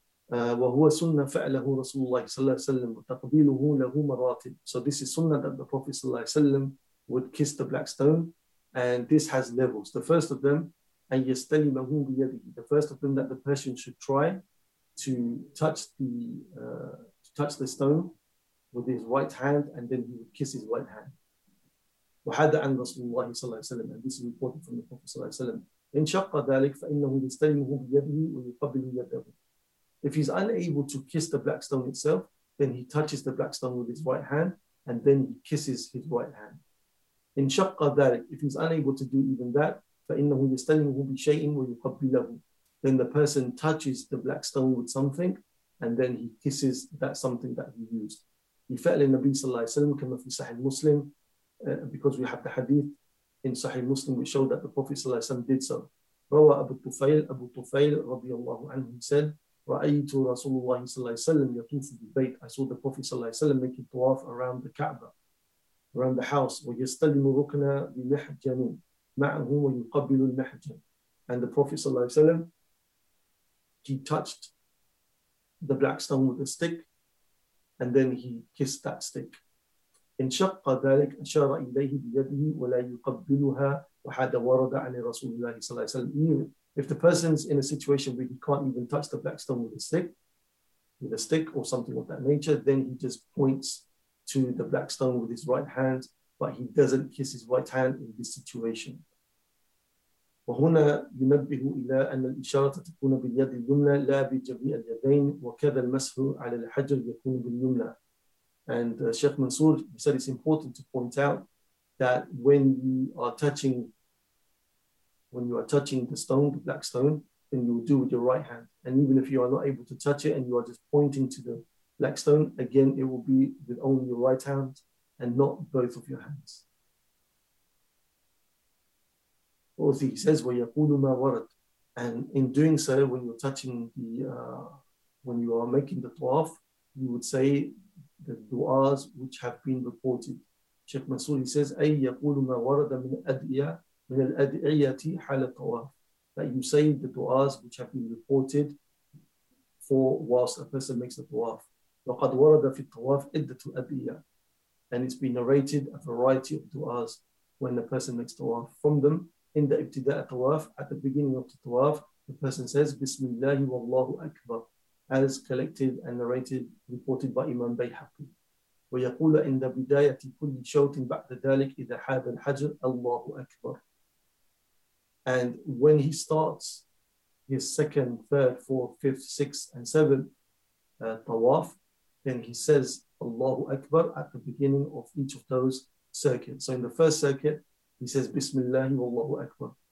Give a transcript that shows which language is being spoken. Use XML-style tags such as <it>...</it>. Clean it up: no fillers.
<ar>وَهُوَ سُنَّةٌ فَعَلَهُ رَسُولُ اللَّهِ صَلَّى اللَّهُ عَلَيْهِ وَسَلَّمَ وَتَقْبِيلُهُ لَهُ مَرَاتِبٌ,</ar> <en>so this is sunnah that the Prophet صلى الله عليه وسلم would kiss the black stone, and this has levels. The first of them,</en> <ar>أَنْ يَسْتَلِمَهُ بِيَدِهِ,</ar> <en>the first of them that the person should try to touch the stone with his right hand, and then he would kiss his right hand.</en> <ar>وَحَدَّ عَنْ رَسُولِ اللَّهِ صَلَّى اللَّهُ عَلَيْهِ وَسَلَّمَ,</ar> <en>and this is reported from the Prophet</en> <ar>صلى الله عليه وسلم, إِنْ شَقَّ ذَلِكَ فَإِنَّهُ يَسْتَلِمُهُ بِيَدِهِ وَيُقَبِّلُ يَدَهُ.</ar> <en>If he's unable to kiss the black stone itself, then he touches the black stone with his right hand and then he kisses his right hand. In</en> <ar>شَقَّ ذَلِكَ,</ar> <en>if he's unable to do even that,</en> <ar>فَإِنَّهُ يَسْتَلِمُهُ بِشَيْءٍ وَيُقَبِّلَهُ,</ar> <en>then the person touches the black stone with something and then he kisses that something that he used.</en> <ar>يَفَعْلِ النَّبِيِّ صَلَّى اللَّهِ وَسَلَّمُ كَمَا فِي صَحِيْحِ مُسْلِمٍ,</ar> <en>because we have the hadith in Sahih Muslim, we show that the Prophet صلى الله عليه وسلم did so.</en> <ar>رَوَى أَبُو طُفَيْلٍ رضي الله عنه,</ar> <en>he said,</en> <ar>رَأَيْتُ رَسُولُ اللَّهِ صَلَّى اللَّهِ وَسَلَّمَ يَطُوفُ بِالْبَيْتِ,</ar> <en>I saw the Prophet صلى الله عليه وسلم making tawaf around the Kaaba, around the house.</en> <ar>وَيَسْتَلِمُ رُكْنَ بِمِحْجَنِ مَعَهُ وَيُقَبِّلُ الْمِحْجَنِ,</ar> <en>and the Prophet صلى الله عليه وسلم, he touched the black stone with a stick and then he kissed that stick.</en> <ar>انشق ذلك أشار إليه بيده ولا يقبلها وهذا ورد عن رسول الله صلى الله عليه وسلم.</ar> <en>If the person's in a situation where he can't even touch the black stone with a stick or something of that nature, then he just points to the black stone with his right hand, but he doesn't kiss his right hand in this situation.</en> <ar>وهنا ينبه إلى أن الإشارة تكون باليد اليمنى لا بجميع اليدين وكذا المسح على الحجر يكون باليمنى.</ar> <en>And Sheikh Mansour said it's important to point out that when you are touching the stone, the black stone, then you will do with your right hand. And even if you are not able to touch it and you are just pointing to the black stone, again, it will be with only your right hand and not both of your hands. Also, he says,</en> <ar>وَيَقُولُ مَا وَرَدْ.</ar> <en>And in doing so, when you're touching the, when you are making the tawaf, you would say the du'as which have been reported. Sheikh Mansour, he says,</en> <ar>أَيْ يَقُولُ مَا وَرَدَ مِنْ أَدْعِيَةٍ من الأدعية حال الطواف.</ar> <en>That you say the du'as which have been reported for whilst a person makes the tawaf.</en> <ar>وَقَدْ وَرَدَ فِي الطواف إِدَّةُ الْأَدْعِيَةِ.</ar> <en>And it's been narrated a variety of du'as when a person makes tawaf. From them, in the ابتداء tawaf, at the beginning of the tawaf, the person says,</en> <ar>بسم الله والله أكبر,</ar> <en>as collected and narrated, reported by Imam Bayhaqi.</en> <ar>ويقول عند بداية كل شوط بعد ذلك إذا حاد الحجر الله أكبر.</ar> <en>And when he starts his second, third, fourth, fifth, sixth, and seventh tawaf, then he says Allahu Akbar at the beginning of each of those circuits. So in the first circuit, he says Bismillahi Wallahu Akbar.</en>